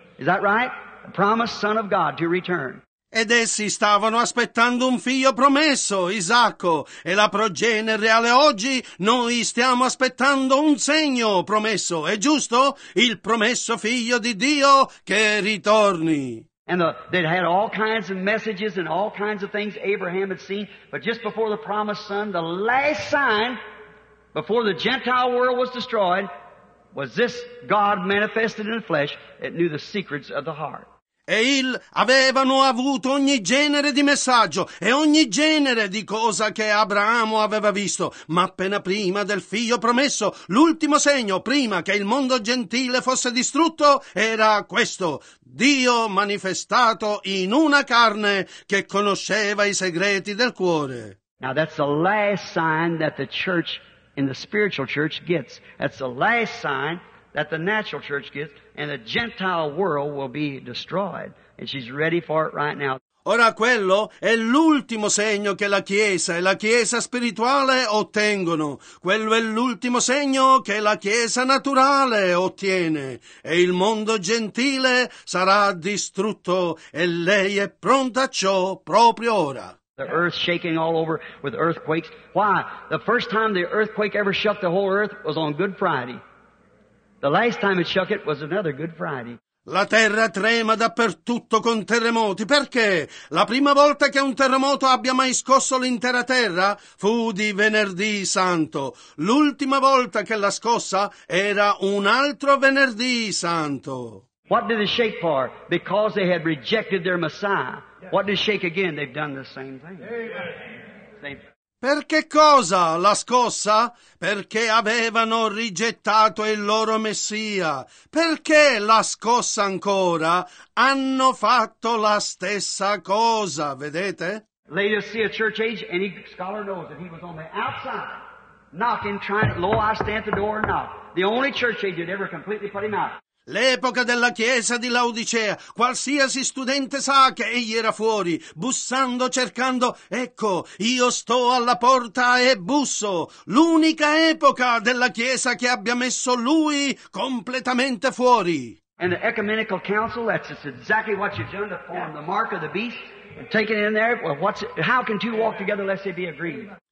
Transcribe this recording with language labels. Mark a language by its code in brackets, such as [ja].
[en] Is that right? A promised son of God to return. [it] Ed essi stavano aspettando un figlio promesso, Isacco, e la progenie reale oggi noi stiamo aspettando un segno promesso, è giusto? Il promesso figlio di Dio che ritorni. [en] And they had all kinds of messages and all kinds of things Abraham had seen, but just before the promised son, the last sign before the Gentile world was destroyed was this God manifested in the flesh that knew the secrets of the heart. [it] E avevano avuto ogni genere di messaggio e ogni genere di cosa che Abramo aveva visto, ma appena prima del figlio promesso, l'ultimo segno prima che il mondo gentile fosse distrutto era questo: Dio manifestato in una carne che conosceva i segreti del cuore. [en] Now that's the last sign that the church in the spiritual church gets. That's the last sign that the natural church gets, and the Gentile world will be destroyed. And she's ready for it right now. [it] Ora quello è l'ultimo segno che la Chiesa e la Chiesa spirituale ottengono. Quello è l'ultimo segno che la Chiesa naturale ottiene. E il mondo gentile sarà distrutto, e lei è pronta a ciò proprio ora. [en] The earth shaking all over with earthquakes. Why? The first time the earthquake ever shook the whole earth was on Good Friday. The last time it shook it was another Good Friday. [it] La terra trema dappertutto con terremoti. Perché? La prima volta che un terremoto abbia mai scosso l'intera terra fu di Venerdì Santo. L'ultima volta che l'ha scossa era un altro Venerdì Santo. [en] What did it shake for? Because they had rejected their Messiah. What did it shake again? They've done the same thing. [it] Per che cosa la scossa? Perché avevano rigettato il loro Messia. Perché la scossa ancora? Hanno fatto la stessa cosa, vedete? [en] Laodicea Church Age, any scholar knows that he was on the outside, knocking, trying to, I stand at the door and knock. The only church age that ever completely put him out. [it] L'epoca della chiesa di Laodicea, qualsiasi studente sa che egli era fuori, bussando, cercando, ecco, io sto alla porta e busso. L'unica epoca della chiesa che abbia messo lui completamente fuori. [en] And the ecumenical council, that's exactly what you've done to form the mark of the beast, taken in there, well, how can two walk together unless they be agreed?